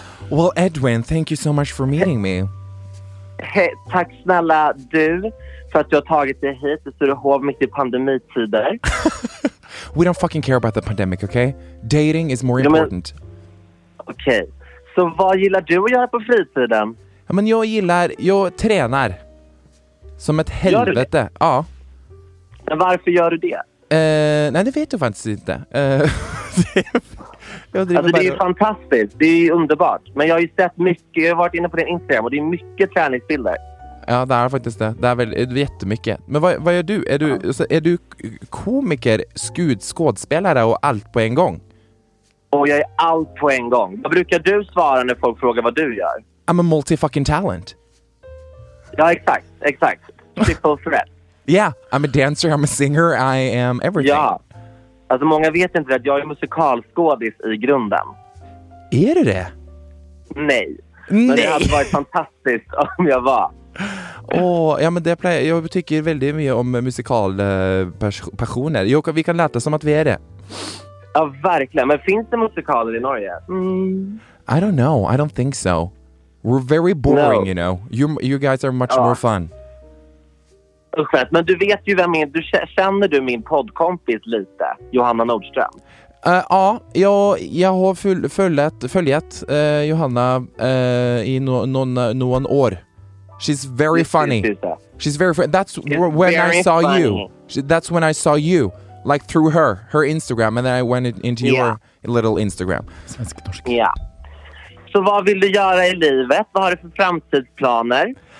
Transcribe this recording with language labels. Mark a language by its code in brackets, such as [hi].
[en] Well, Edwin, thank you so much for meeting me. [sv] Hey, tack snälla du för att du har tagit dig hit. Det står du hov mitt i pandemitider. [en] We don't fucking care about the pandemic, okay? Dating is more important. [sv] Okej. Okay. Så vad gillar du att göra på fritiden? Ja, men jag tränar. Som ett helvete. Ja. Men varför gör du det? Nej, det vet du faktiskt inte. Alltså det är bara fantastiskt. Det är underbart. Men jag har ju sett mycket, jag har varit inne på din Instagram och det är mycket träningsbilder. Ja, det är faktiskt det. Det är väl jättemycket. Men vad gör du? Är du komiker, skådespelare och allt på en gång? Och jag är allt på en gång. Vad brukar du svara när folk frågar vad du gör? [en] I'm a multi-fucking talent. [sv] Ja, exakt. Exakt. [en] Triple threat. Yeah, I'm a dancer, I'm a singer, I am everything. [sv] Ja, alltså många vet inte att jag är musikalskådis i grunden. Är du det? Nej. Nej, men det hade varit fantastiskt om jag var. Åh, ja men det plejer, jag tycker väldigt mycket om musikalpassioner. Vi kan låta som att vi är det. Ja, verkligen, men finns det musikaler i Norge? [en] I don't know, I don't think so. We're very boring, you know. You guys are much more fun. [sv] Men du vet ju vem du känner du min poddkompis lite, Johanna Nordström. Ja, jag har följt Johanna i någon år. [en] She's very funny. She's very funny. That's when I saw you. That's when I saw you, like through her Instagram, and then I went into your little Instagram. [sv] Svensk-norsk. Ja. Så vad vill du göra i livet? Vad har du för framtidsplaner?